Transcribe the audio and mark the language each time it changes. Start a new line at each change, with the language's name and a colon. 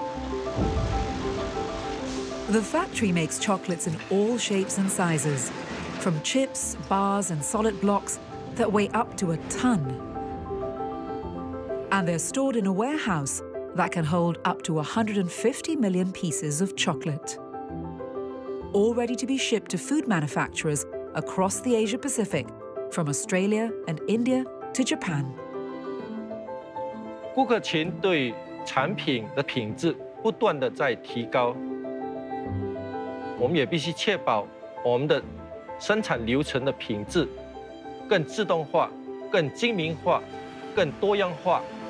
Chinese: 我们的技术其实就是从比利时传授下来的。我们的在亚洲生产的跟在比利时做的一个巧克力，如果做个比较，你们是根本是吃不出来的。The
English: factory makes chocolates in all shapes and sizes, from chips, bars, and solid blocks that weigh up to a ton. And they're stored in a warehouse that can hold up to 150 million pieces of chocolate. all ready to be shipped to food manufacturers across the Asia Pacific, from Australia and India to Japan.
Chinese: 顾客群对产品的品质不断地在提高，我们也必须确保我们的生产流程的品质更自动化、更精明化、更多样化。